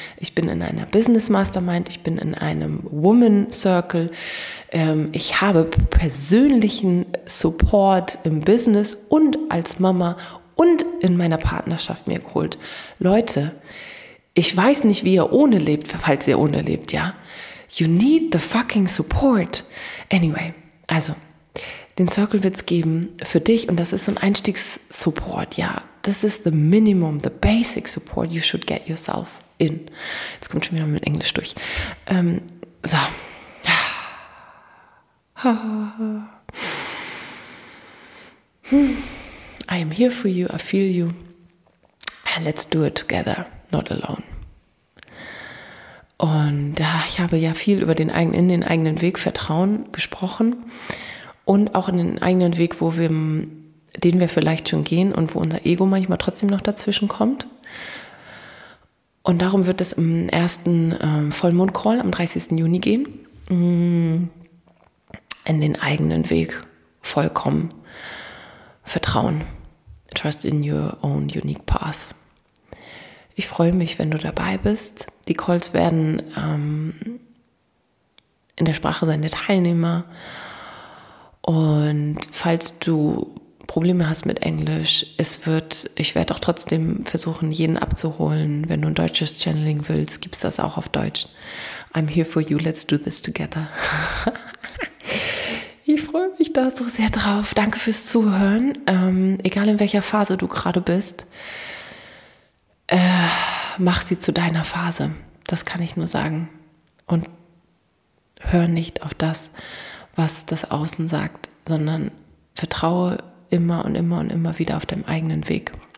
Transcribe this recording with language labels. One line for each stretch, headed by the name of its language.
German: Ich bin in einer Business Mastermind, ich bin in einem Woman Circle. Ich habe persönlichen Support im Business und als Mama und in meiner Partnerschaft mir geholt. Leute, ich weiß nicht, wie ihr ohne lebt, falls ihr ohne lebt, ja?
English: You need the fucking support.
German: Anyway, also, den Circle wird es geben für dich und das ist so ein Einstiegssupport, ja.
English: This is the minimum, the basic support you should get yourself in.
German: Jetzt kommt schon wieder mit Englisch durch. So.
English: I am here for you, I feel you. Let's do it together, not alone.
German: Und ich habe ja viel über den eigenen Weg Vertrauen gesprochen und auch in den eigenen Weg, den wir vielleicht schon gehen und wo unser Ego manchmal trotzdem noch dazwischen kommt. Und darum wird es im ersten Vollmond-Call am 30. Juni gehen, in den eigenen Weg vollkommen vertrauen.
English: Trust in your own unique path.
German: Ich freue mich, wenn du dabei bist. Die Calls werden in der Sprache sein der Teilnehmer. Und falls du Probleme hast mit Englisch, ich werde auch trotzdem versuchen, jeden abzuholen. Wenn du ein deutsches Channeling willst, gibt es das auch auf Deutsch.
English: I'm here for you, let's do this together.
German: Ich freue mich da so sehr drauf. Danke fürs Zuhören. Egal in welcher Phase du gerade bist, mach sie zu deiner Phase, das kann ich nur sagen. Und hör nicht auf das, was das Außen sagt, sondern vertraue immer und immer und immer wieder auf deinem eigenen Weg.